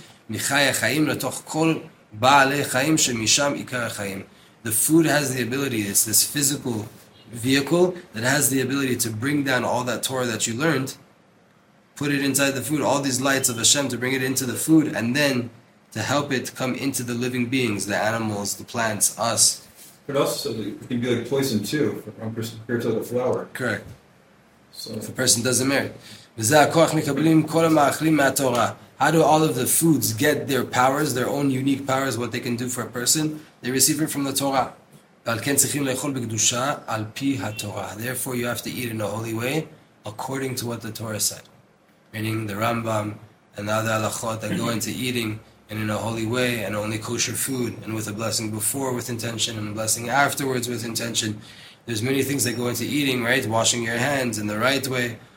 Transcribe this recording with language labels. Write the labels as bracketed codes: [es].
[he] מחי החיים לתוך כל בעלי חיים שמשם עיקר החיים. [en] The food has the ability, it's this physical vehicle that has the ability to bring down all that Torah that you learned, put it inside the food, all these lights of Hashem to bring it into the food, and then to help it come into the living beings, the animals, the plants, us. But also, it can be like poison too, if one person compares to like a flower. Correct. So if a person doesn't merit. [he] וזה הכוח מקבלים כל המאכלים מהתורה. [en] How do all of the foods get their powers, their own unique powers, what they can do for a person? They receive it from the Torah. [he] ועל כן צריכים לאכול בקדושה על פי התורה. [en] Therefore, you have to eat in a holy way according to what the Torah said. Meaning the Rambam and the other halachot that go into eating and in a holy way and only kosher food and with a blessing before with intention and a blessing afterwards with intention. There's many things that go into eating, right? Washing your hands in the right way.